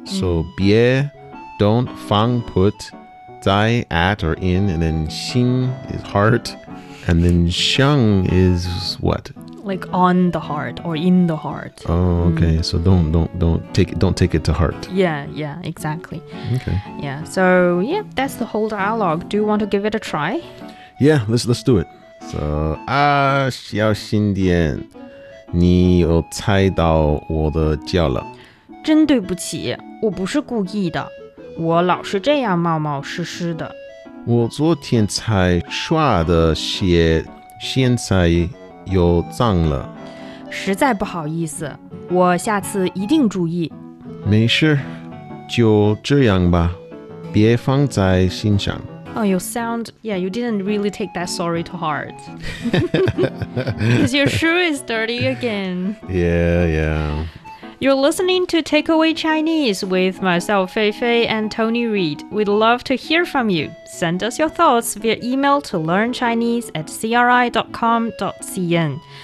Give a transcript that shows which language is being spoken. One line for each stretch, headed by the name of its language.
English: So 别, don't, 放, put, 在, at or in, and then 心 is heart, and then 想 is what? Like on the heart or in the heart. Oh, okay. So don't take it to heart. Yeah, yeah, exactly. Okay. Yeah. So yeah, that's the whole dialogue. Do you want to give it a try? Yeah, let's do it.
Chinese: So 啊，小心点， 你又踩到我的脚了。真对不起，我不是故意的，我老是这样冒冒失失的。我昨天才刷的鞋现在 又脏了。实在不好意思，我下次一定注意。没事，就这样吧，别放在心上。Oh,
English: you sound... Yeah, you didn't really take that sorry to heart. Because your shoe is dirty again. Yeah, yeah. You're listening to Takeaway Chinese with myself, Feifei, and Tony Reed. We'd love to hear from you. Send us your thoughts via email to learnchinese@cri.com.cn.